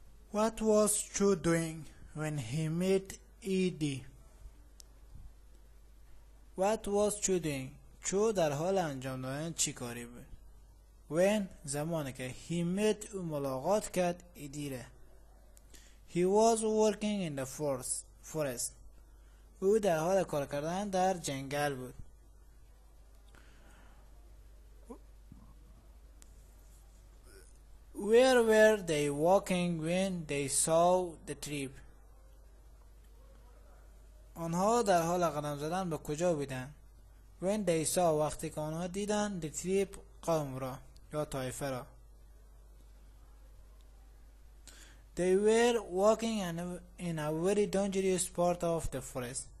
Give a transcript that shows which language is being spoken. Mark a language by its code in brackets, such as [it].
[en] What was Chu doing when he met Edie? What was Chu doing? [fa] Chu در حال انجام دادن چی کاری بود؟ When زمانی که [en] he met [fa] او ملاقات کرد Edie را. [en] He was working in the forest. [fa] او در حال کار کردن در جنگل بود. [en] Where were they walking when they saw the trip? [fa] آنها در حال قدم زدن به کجا بودن؟ [en] When they saw [fa] وقتی که آنها دیدن [en] the trip [fa] قوم را یا طایفه را. [en] They were walking in a very dangerous part of the forest.